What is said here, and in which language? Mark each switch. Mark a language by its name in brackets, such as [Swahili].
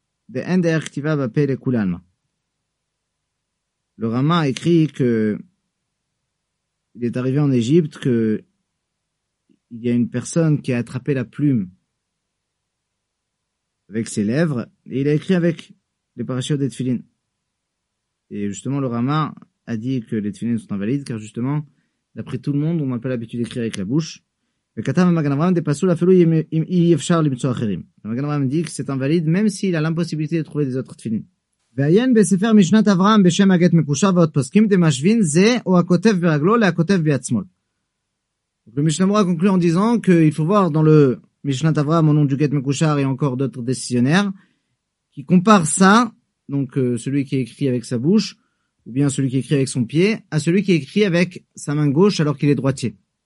[Hebrew] De en der ktiva va pe le kulalma. [French] Le Rama a écrit que il est arrivé en Égypte que il y a une personne qui a attrapé la plume avec ses lèvres et il a écrit avec les parachutes des tefilines. Et justement, le Rama a dit que les tefilines sont invalides car justement, d'après tout le monde, on n'a pas l'habitude d'écrire avec la bouche. Le Magen Avraham dit que c'est invalide même s'il a l'impossibilité de trouver des autres tefilines. [Hebrew] ועיין בספר משנת אברהם בשם הגט מקושר ועוד פוסקים דמשווין זה או הכותב ברגלו להכותב בעצמו. [French] Le Mishnah Berurah conclut en disant qu'il faut voir dans le Mishnat Avraham au nom du Get Mekushar et encore d'autres décisionnaires qui comparent ça, donc celui qui écrit avec sa bouche ou bien celui qui écrit avec son pied, à celui qui écrit avec sa main gauche alors qu'il est droitier.